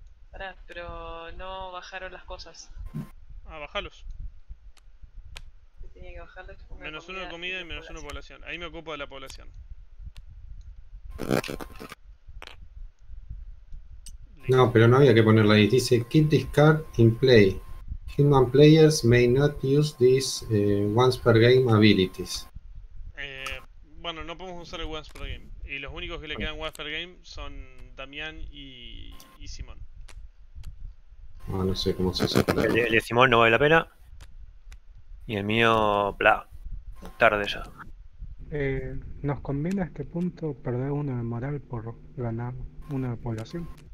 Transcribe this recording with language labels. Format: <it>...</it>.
<es>Pará, pero no bajaron las cosas. Ah, bajalos. Tenía que bajarlos. Menos uno de comida y menos uno de población. Ahí me ocupo de la población. No, pero no había que ponerla ahí.</es> <en>Dice, keep this card in play. Human players may not use these once per game abilities.</en> <es>Bueno, no podemos usar el once per game. Y los únicos que le quedan once per game son Damián y Simón. Ah, no sé cómo se hace. El de Simón no vale la pena. Y el mío, bla. Tarde ya. ¿Nos conviene a este punto perder una de moral por ganar una de población?</es>